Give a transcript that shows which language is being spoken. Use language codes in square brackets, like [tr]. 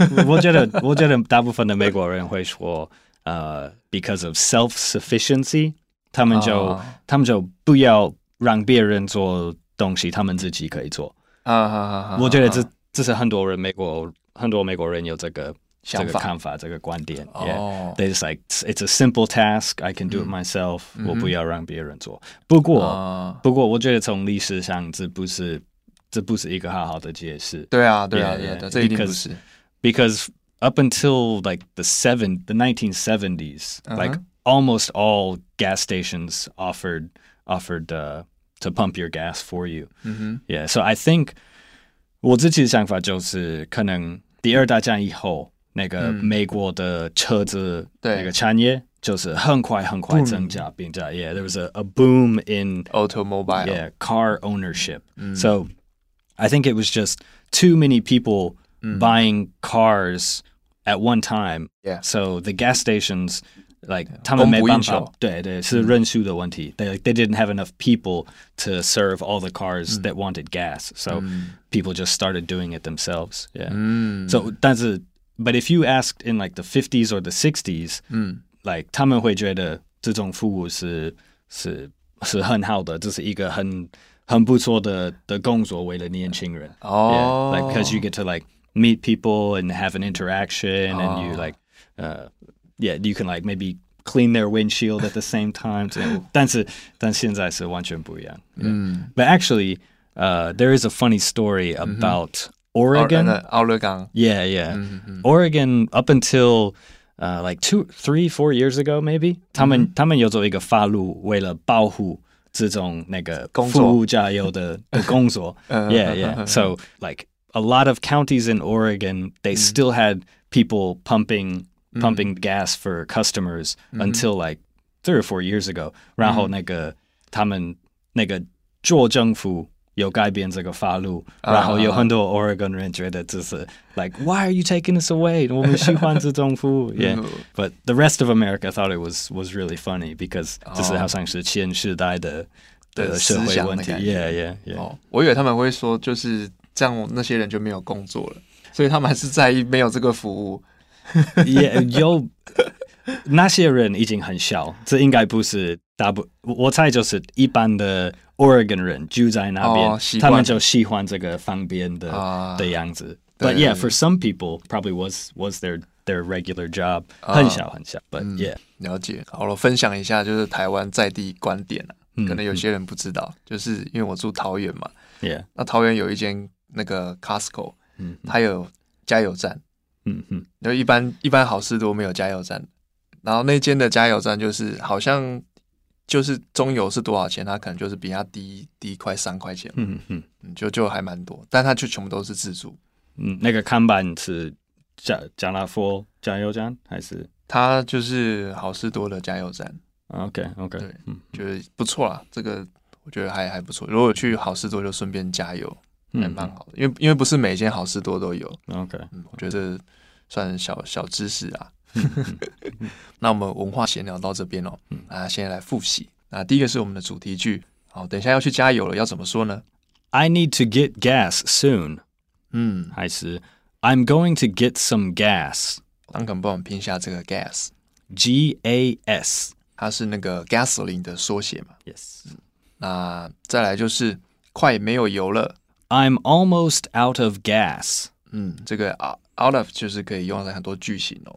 [zh] 我觉得大部分的美国人会说 [en] because of self-sufficiency [zh] 他们就不要让别人做东西他们自己可以做我觉得这是很多美国人有这个想法这个看法这个观点、yeah. [en] They just like it's a simple task I can do it myself [zh] 我不要让别人做不过我觉得从历史上这不是一个好好的解释对啊对啊 yeah, yeah, 这一定不是 [en] because up until like the 1970s, uh-huh. like almost all gas stations offered to pump your gas for you. Mm-hmm. Yeah. So I think [zh] 我自己的想法就是可能第二大战以后那个美国的车子那个产业就是很快很快增加并加 [en] Yeah, there was a boom in automobile. Yeah, car ownership. So I think it was just too many people buying cars at one time. Yeah. So the gas stations... [zh] Like, 他们没办法，对对，是人数的问题。 [en] They didn't have enough people to serve all the cars that wanted gas. So people just started doing it themselves. Yeah. [zh] So, 但是, [en] but if you asked in like the 50s or the 60s, [zh] like, 他们会觉得这种服务是很好的，这是一个很不错的工作为了年轻人。 [en] Like, because you get to like meet people and have an interaction and you like... Yeah, you can like maybe clean their windshield at the same time. [zh] So, 但现在是完全不一样。 [en] But actually, there is a funny story about Oregon. Oregon. Yeah, yeah. [zh] Oregon, [en] up until like 2, 3, 4 years ago, maybe, [zh] 他们有做一个法律为了保护这种那个服务加油的工作。 Yeah, yeah. [en] So like a lot of counties in Oregon, they still had people pumping gas for customers until like 3 or 4 years ago. [zh] 然后那个他们那个州政府有改变这个法律，然后有很多 Oregon 人觉得这是 [en] like, why are you taking us away? [zh] 我们喜欢这种服务。Yeah. [en] But the rest of America thought it was really funny because [zh] 这是好像是前世代的社会问题。 Yeah, yeah, yeah. 我以为他们会说就是这样那些人就没有工作了，所以他们还是在意没有这个服务。也有那些人已经很小，这应该不是我猜就是一般的 Oregon 人住在那边，他们就喜欢这个方便的样子。 [en] But yeah, for some people, probably was their regular job. [zh] 很小很小 ， [en] But yeah， [zh] 了解。好了，分享一下就是台湾在地观点啊，可能有些人不知道，就是因为我住桃园嘛。 Yeah，那桃园有一间那个 Costco， 它有加油站。就一般好事多没有加油站，然后那间的加油站就是好像就是中油是多少钱，它可能就是比它低快3块钱，就还蛮多，但它就全部都是自助。那个看板是加拿佛加油站还是？它就是好事多的加油站。 OK，对，就是不错啦，这个我觉得还不错，如果去好事多就顺便加油。还蛮好的，因为不是每间好事多都有。 OK，我觉得算小知识啊。那我们文化闲聊到这边哦，那现在来复习。那第一个是我们的主题句，好，等一下要去加油了，要怎么说呢 [en] ？I need to get gas soon。 [zh] 还是 [en] I'm going to get some gas。 [zh] 张肯帮我们拼一下这个 gas。 [en] G A S， [zh] 它是那个 gasoline 的缩写嘛 [en] ？Yes。 [zh] 那再来就是快没有油了。 [en] I'm almost out of gas. [zh] 这个 out of 就是可以用在很多句型哦。